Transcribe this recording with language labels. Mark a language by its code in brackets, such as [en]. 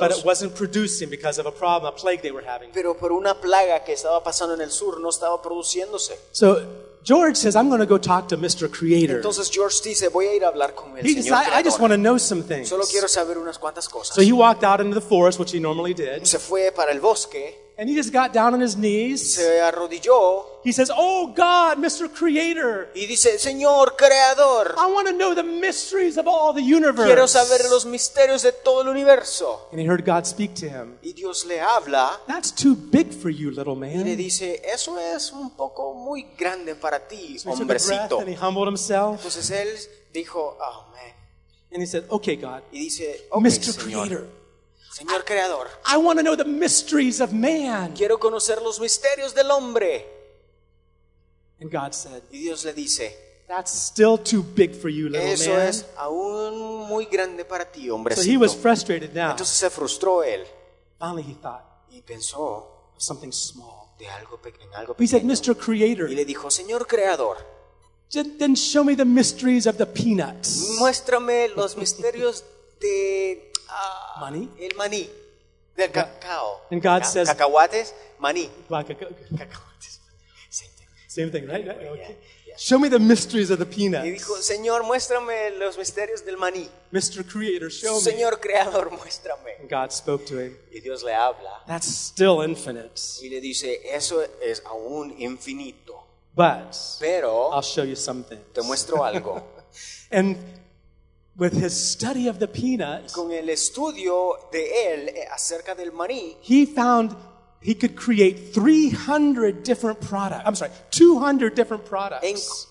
[en] But it wasn't producing because of a problem, a plague they were having. [es] Pero por una plaga que estaba pasando en el sur no estaba produciéndose. [en] So George says, I'm going to go talk to Mr. Creator. [es] Entonces George dice, voy a ir a hablar con el [en] he [es] Señor [en] says, I just want to know some things. [es] Solo quiero saber unas cuantas cosas. [en] So he walked out into the forest, which he normally did. [es] Se fue para el bosque. [en] And he just got down on his knees. [es] Se arrodilló. [en] He says, "Oh God, Mr. Creator." [es] Y dice, "Señor Creador." [en] "I want to know the mysteries of all the universe." [es] Quiero saber los misterios de todo el universo. [en] And he heard God speak to him. [es] Y Dios le habla. [en] "That's too big for you, little man." [es] Y le dice, "Eso es un poco muy grande para ti, hombrecito." [en] And he humbled himself. [es] Entonces él dijo, [en] "Oh man." And he said, "Okay, God." [es] Y dice, "Okay, [en] Mr. [es] Señor. [en] Creator." [es] Señor Creador. [en] "I want to know the mysteries of man." [es] Quiero conocer los misterios del hombre. [en] And God said, [es] y Dios le dice, [en] "That's still too big for you, little [es] eso [en] man." [es] Es aún muy grande para ti, hombrecito. [en] So he was frustrated now. [es] Entonces se frustró él. [en] Finally he thought, [es] y pensó, [en] something small. [es] De algo pequeño. [en] He said, "Mr. Creator." [es] Y le dijo, "Señor Creador." [en] "Then show me the mysteries of the peanuts." [es] Muéstrame los misterios de [en] money? [es] El maní. Del cacao. [en] And God says, [es] cacahuates, maní. Cacahuates. [en] Same thing, right? Okay. Yeah, yeah. "Show me the mysteries of the peanuts." [es] Y dijo, "Señor, muéstrame los misterios del maní." [en] "Mr. Creator, show me." [es] "Señor Creador, muéstrame." [en] And God spoke to him. [es] Y Dios le habla. [en] "That's still infinite." [es] Y le dice, "Eso es aún infinito." [en] "But [es] pero [en] I'll show you something." [es] Te muestro algo. [en] And with his study of the peanuts, [es] con el estudio de él acerca del maní, [en] he found he could create 300 different products. I'm sorry, 200 different products.